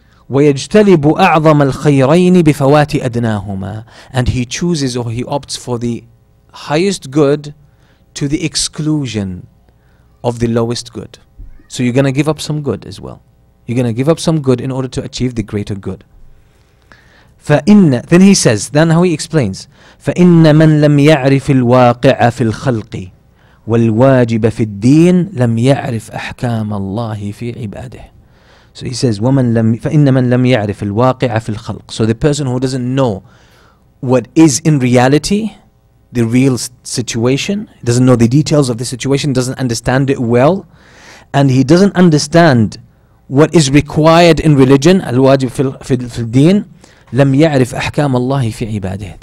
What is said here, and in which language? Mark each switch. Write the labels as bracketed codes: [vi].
[ar] وَيَجْتَلِبُ أَعْظَمَ الْخَيْرَيْنِ بِفَوَاتِ أَدْنَاهُمَا, [en] and he chooses or he opts for the highest good to the exclusion of the lowest good. So you're going to give up some good as well. You're going to give up some good in order to achieve the greater good. [ar] فَإِنَّ, [en] then he says, then how he explains, [ar] فَإِنَّ مَنْ لَمْ يَعْرِفِ الْوَاقِعَ فِي الْخَلْقِ وَالْوَاجِبَ فِي الدِّينِ لَمْ يَعْرِفْ أَحْكَامَ اللَّهِ فِي عِبَادِهِ. [en] So he says, [ar] فَإِنَّ مَنْ لَمْ يَعْرِفِ الْوَاقِعَ فِي الْخَلْقِ. [en] So the person who doesn't know what is in reality, the real situation, doesn't know the details of the situation, doesn't understand it well, and he doesn't understand what is required in religion, [ar] الْوَاجِبِ فِي الْدِينِ, لَمْ يَعْرِفْ أَحْكَامَ اللَّهِ فِي عِبَادِهِ.